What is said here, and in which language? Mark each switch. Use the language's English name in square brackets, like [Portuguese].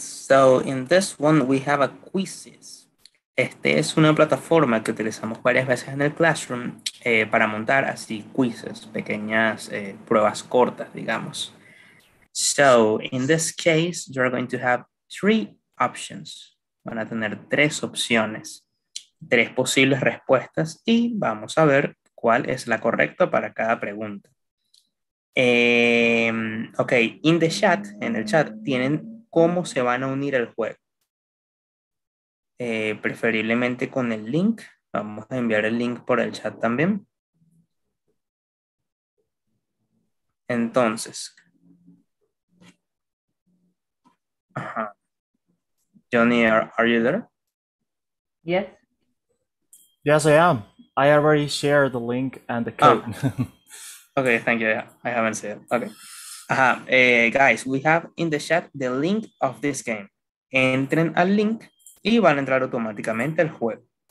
[English] So in this one, we have a quizzes. [Spanish] Este es una plataforma que utilizamos varias veces en el classroom para montar así quizzes, pequeñas pruebas cortas, digamos. [English] So in this case, you're going to have three options. [Spanish] Van a tener tres opciones, tres posibles respuestas y vamos a ver cuál es la correcta para cada pregunta. [English] Ok, in the chat, [Spanish] en el chat, tienen cómo se van a unir al juego. Preferiblemente con el link. Vamos a enviar el link por el chat también. Entonces. [English] Ajá. Jhonny, are you there? Yes. Yes, I am. I already shared the link and the code. Oh. Okay, thank you. I haven't seen it. Okay. Guys, we have in the chat the link of this game. [Spanish] Entren al link y van a entrar automáticamente al juego.